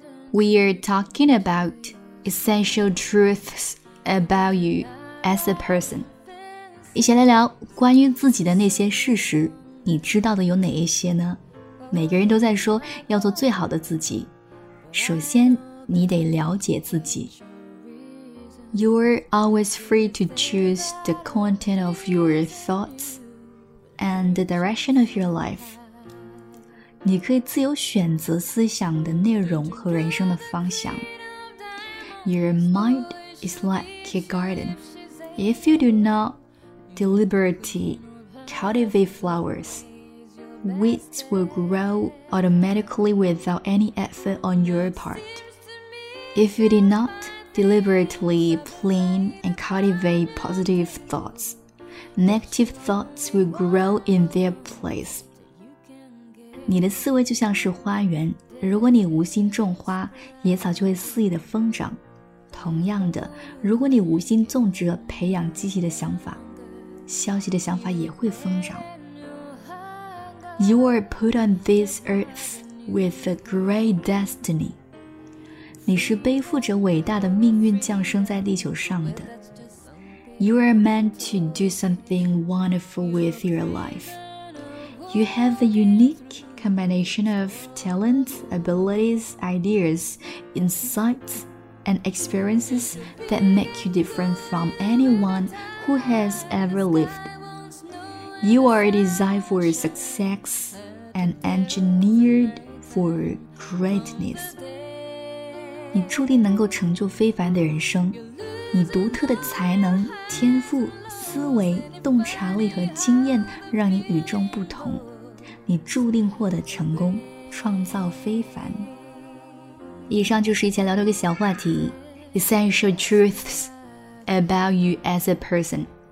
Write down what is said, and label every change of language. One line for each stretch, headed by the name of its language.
English: We are talking about essential truths about you as a person，
Chinese: 一起来聊关于自己的那些事实，你知道的有哪一些呢？每个人都在说要做最好的自己，首先你得了解自己。
English: You're always free to choose the content of your thoughts and the direction of your life.
Chinese: 你可以自由选择思想的内容和人生的方向。
English: Your mind is like a garden. If you do not deliberately cultivate flowers,Weeds will grow automatically without any effort on your part. If you did not deliberately plan and cultivate positive thoughts, negative thoughts will grow in their place.
Chinese: 你的思维就像是花园，如果你无心种花，野草就会肆意的疯长。同样的，如果你无心种植和培养积极的想法，消极的想法也会疯长。
English: You are put on this earth with a great destiny.
Chinese: 你是背负着伟大的命运降生在地球上的。
English: You are meant to do something wonderful with your life. You have a unique combination of talents, abilities, ideas, insights, and experiences that make you different from anyone who has ever lived. You are designed for success and engineered for greatness.
Chinese: 你注定能够成就非凡的人生。你独特的才能、天赋、思维、洞察力和经验让你与众不同。你注定获得成功，创造非凡。以上就是一起聊的一个小话题 ,
English: Essential truths about you as a person.